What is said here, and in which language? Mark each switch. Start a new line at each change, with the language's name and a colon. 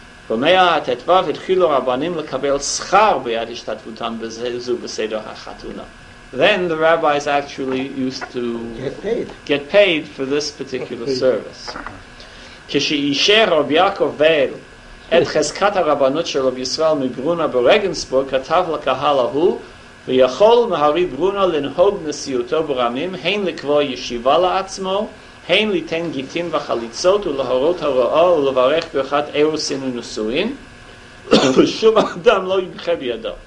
Hebrew: במאה התתווה התחילו רבנים לקבל שכר ביד השתתפותם בזו בסדר החתונה.
English: Then the rabbis actually used to get paid for this particular service.
Hebrew: כשאישר רב יעקב ואל את חזקת הרבנות של רב ישראל מברונה ברגנסבורג כתב לקהל ההוא, ויכול מהרי ברונה לנהוג נשיאותו ברמים, הן לקבוע ישיבה לעצמו, הן ליתן גיטין וחליצות ולהורות הרואה ולברך ברכת אירוסין ונשואין, ושום אדם לא ימחה בידו.